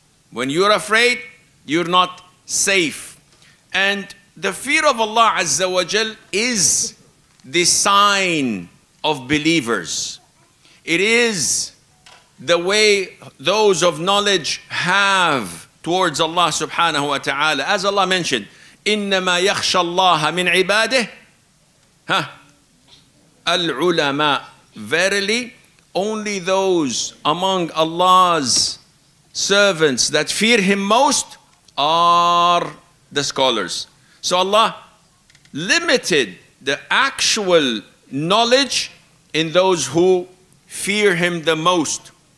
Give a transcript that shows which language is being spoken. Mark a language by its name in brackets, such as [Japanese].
[English] When you're afraid, you're not safe. And the fear of Allah Azza wa Jal is the sign of believers. It is the way those of knowledge have towards Allah subhanahu wa ta'ala. [Arabic] As Allah mentioned, إِنَّمَا يَخْشَ اللَّهَ مِنْ عِبَادِهِ الْعُلَمَاءِ. [English] Verily, only those among Allah's servants that fear Him most are the scholars. So Allah limited the actual knowledge in those who fear Him the most.